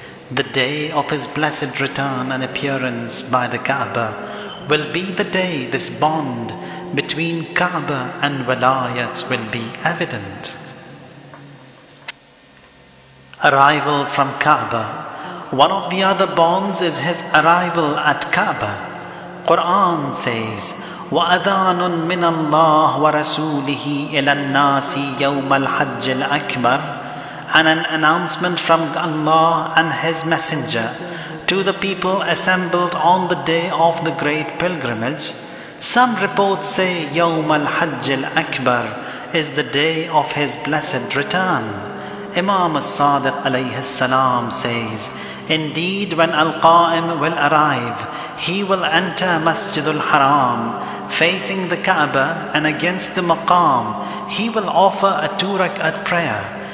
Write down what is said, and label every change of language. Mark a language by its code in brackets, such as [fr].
[en] The day of his blessed return and appearance by the Kaaba will be the day this bond between Kaaba and Walayats will be evident. Arrival from Kaaba. One of the other bonds is his arrival at Kaaba. Quran says, [ar] وَأَذَانٌ مِّنَ اللَّهِ وَرَسُولِهِ إِلَى النَّاسِ يَوْمَ الْحَجِّ الْأَكْبَرِ. [en] And an announcement from Allah and His Messenger to the people assembled on the day of the great pilgrimage. Some reports say [ar] يَوْمَ الْحَجِّ الْأَكْبَرِ [en] is the day of His blessed return. Imam As-Sadiq alayhi salam says, indeed, when Al-Qa'im will arrive, he will enter Masjid al-Haram, facing the Kaaba, and against the Maqam, he will offer a turakat prayer.